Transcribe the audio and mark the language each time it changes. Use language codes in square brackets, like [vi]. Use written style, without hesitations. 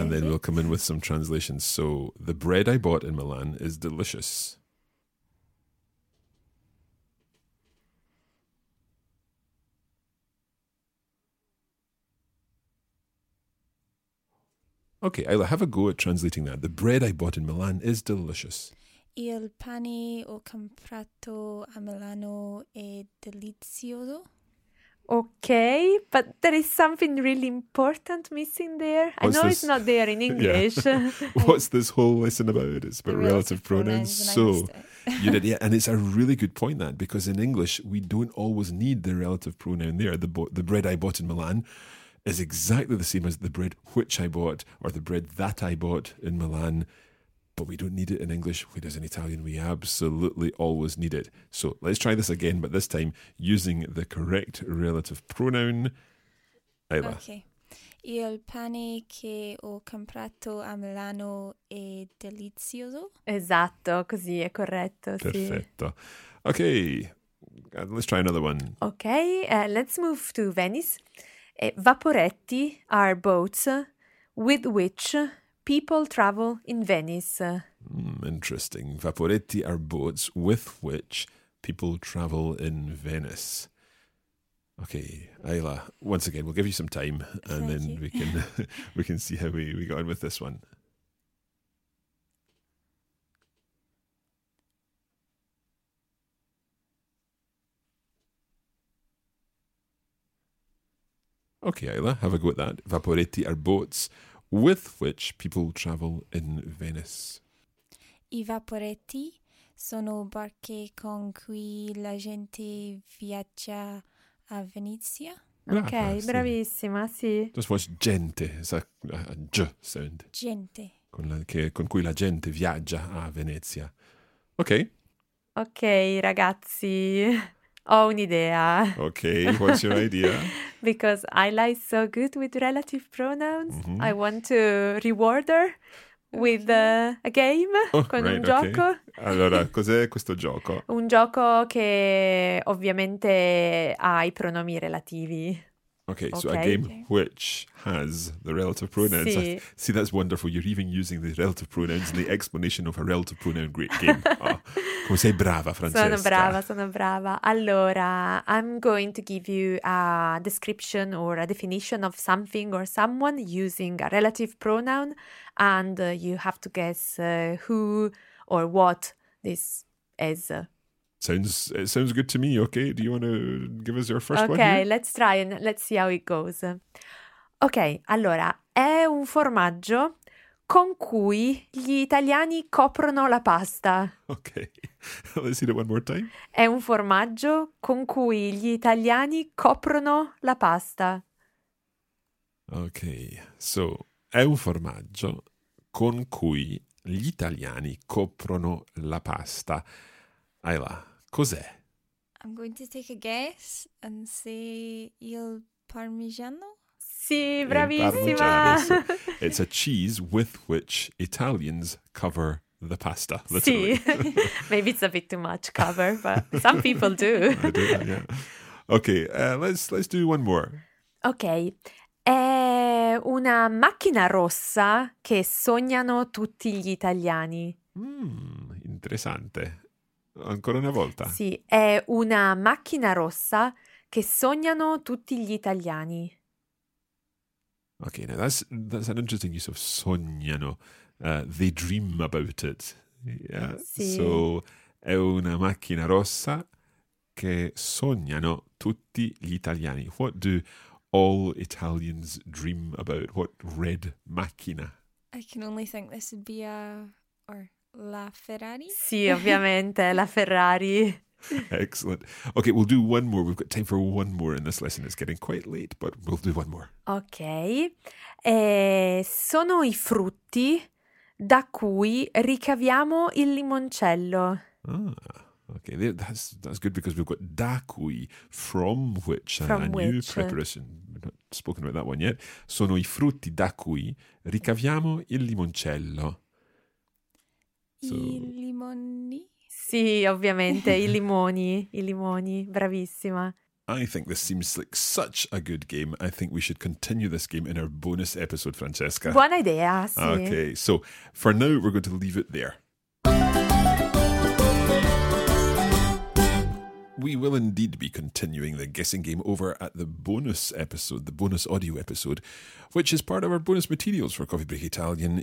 [en] And then we'll come in with some translations. So the bread I bought in Milan is delicious. Okay, Ayla, have a go at translating that. The bread I bought in Milan is delicious. [it] Il pane ho comprato a Milano è delizioso. [en] Okay, but there is something really important missing there. What's I know this? It's not there in English. What's this whole lesson about? It's about relative pronouns. And so, you did, and it's a really good point that, because in English, we don't always need the relative pronoun there. The bread I bought in Milan is exactly the same as the bread which I bought or the bread that I bought in Milan, but we don't need it in English, whereas in Italian we absolutely always need it. So let's try this again, but this time using the correct relative pronoun, Ayla. Okay. [it] Il pane che ho comprato a Milano è delizioso. Esatto, così è corretto, sì. Perfetto. [en] Okay, let's try another one. Okay, let's move to Venice. Vaporetti are boats with which people travel in Venice. Interesting. Vaporetti are boats with which people travel in Venice. Okay, Ayla, once again, we'll give you some time and Thank you. we can see how we go on with this one. Okay, Ayla, have a go at that. Vaporetti are boats with which people travel in Venice. [it] I vaporetti sono barche con cui la gente viaggia a Venezia. Okay, bravissima, sì. [en] Just watch gente, it's a G sound. [it] Gente. Con cui la gente viaggia a Venezia. Okay. Okay, ragazzi. Ho un'idea. [en] Ok, what's your idea? Because I like so good with relative pronouns, mm-hmm. I want to reward her with a game, [it] un gioco. [en] Okay. [it] Allora, cos'è questo gioco? Un gioco che ovviamente ha i pronomi relativi. [en] Okay, so a game which has the relative pronouns. [it] Sì. [en] See, that's wonderful. You're even using the relative pronouns in the explanation of a relative pronoun great game. [it] Come sei brava, Francesca. Sono brava, sono brava. [en] Allora, I'm going to give you a description or a definition of something or someone using a relative pronoun, and you have to guess who or what this is. It sounds good to me. Okay, do you want to give us your first one? Okay, let's try and let's see how it goes. [it] Okay, allora, è un formaggio con cui gli italiani coprono la pasta. [en] Okay, let's see it one more time. [it] È un formaggio con cui gli italiani coprono la pasta. Okay, so è un formaggio con cui gli italiani coprono la pasta. Ayla, cos'è? [en] I'm going to take a guess and say [it] il parmigiano. Sì, bravissima! [en] It's a cheese with which Italians cover the pasta, literally. Sì, maybe it's a bit too much cover, but some people do. I do, yeah. Okay, let's do one more. [it] Okay, è una macchina rossa che sognano tutti gli italiani. Interessante. Ancora una volta. Sì, è una macchina rossa che sognano tutti gli italiani. [en] Okay, now that's an interesting use of sognano. They dream about it. Yeah. [it] Sì. So, è una macchina rossa che sognano tutti gli italiani. [en] What do all Italians dream about? What red macchina? I can only think this would be a... [it] La Ferrari? Sì, ovviamente, la Ferrari. [en] Excellent. Okay, we'll do one more. We've got time for one more in this lesson. It's getting quite late, but we'll do one more. Okay. [it] Sono i frutti da cui ricaviamo il limoncello. [en] Ah, okay. That's good because we've got [it] da cui, [en] from which, new preparation. We've not spoken about that one yet. [it] Sono i frutti da cui ricaviamo il limoncello. So... I limoni? Sì, ovviamente, i limoni, bravissima. [en] I think this seems like such a good game. I think we should continue this game in our bonus episode, Francesca. [it] Buona idea, sì. [en] Okay, so for now we're going to leave it there. We will indeed be continuing the guessing game over at the bonus episode, the bonus audio episode, which is part of our bonus materials for Coffee Break Italian.